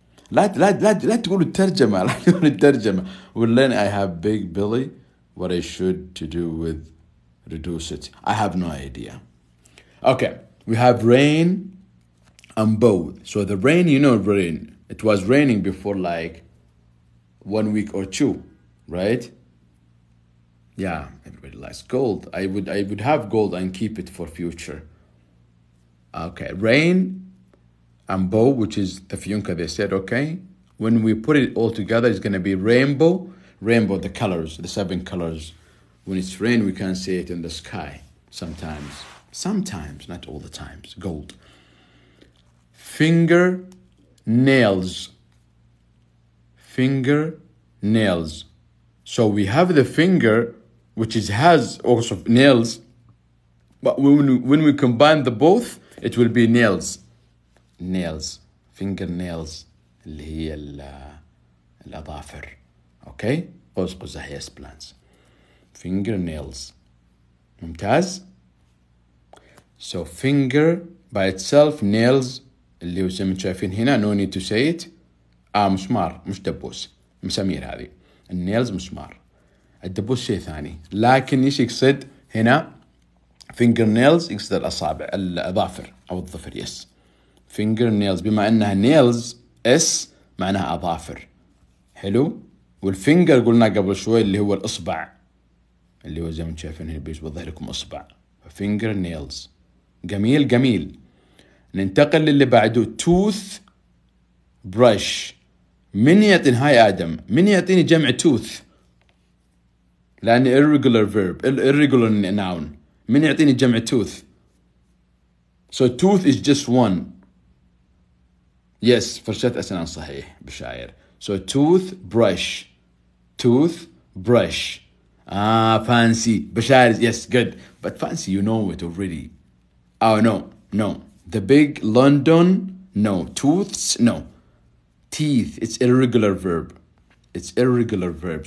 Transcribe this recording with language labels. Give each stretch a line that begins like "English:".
Arabic: لا لا لا لا تقول الترجمة لا تقول الترجمة.
English: Well, then I have big belly. What I should to do with reduce it? I have no idea. Okay, we have rain and bow. So the rain, you know, rain. It was raining before like 1 week or two, right? Yeah, everybody likes gold. I would have gold and keep it for future. Okay, rain. And bow, which is the fiyunka, they said, okay. When we put it all together, it's going to be rainbow. Rainbow, the colors, the 7 colors. When it's rain, we can see it in the sky sometimes. Sometimes, not all the times. Gold. Finger nails. Finger nails. So we have the finger, which is has also nails. But when we combine the both, it will be nails. Nails, fingernails,
Arabic: اللي هي الأظافر.
English: Okay,
Arabic: قوس قزح,
English: yes, plants. Fingernails,
Arabic: ممتاز.
English: So finger by itself, nails,
Arabic: اللي هو زي ما شايفين هنا,
English: no need to say it.
Arabic: مسمار, مش دبوس, مسامير هذه. Nails, مسمار. الدبوس شيء ثاني. لكن إيش يقصد هنا؟ Fingernails يقصد الأصابع, الأظافر أو الظفر, yes. Fingernails, بما أنها nails, S, معناها أظافر. حلو؟ والفينجر قلنا قبل شوي اللي هو الأصبع. اللي هو زي ما تشايفين هنا بيوضح لكم أصبع. Fingernails. جميل جميل. ننتقل للي بعده.
English: Tooth, brush.
Arabic: من يعطين هاي آدم؟ من يعطيني جمع tooth؟ لأني
English: irregular verb. Irregular noun.
Arabic: من يعطيني جمع tooth؟
English: So tooth is just one.
Arabic: Yes, فرشاة أسنان صحيح بشاير.
English: So tooth brush, tooth brush. Ah, fancy بشاير. Yes, good. But fancy, you know it already. Oh no, no. The big London. No tooths. No teeth. It's irregular verb. It's irregular verb.